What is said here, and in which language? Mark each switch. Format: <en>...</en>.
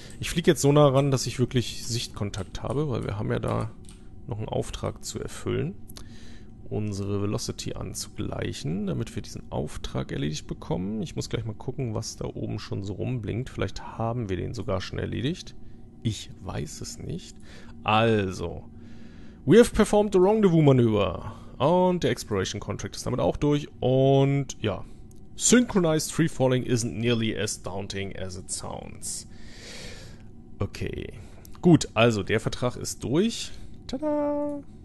<de>Ich fliege jetzt so nah ran, dass ich wirklich Sichtkontakt habe, weil wir haben ja da noch einen Auftrag zu erfüllen. Unsere Velocity anzugleichen, damit wir diesen Auftrag erledigt bekommen. Ich muss gleich mal gucken, was da oben schon so rumblinkt. Vielleicht haben wir den sogar schon erledigt. Ich weiß es nicht.</de> <en>Also, we have performed the rendezvous maneuver.</en> <de>Und der Exploration Contract ist damit auch durch.</de> <en>Und ja, Synchronized Free Falling isn't nearly as daunting as it sounds. Okay.</en> <de>Gut, also der Vertrag ist durch. Tada!</de>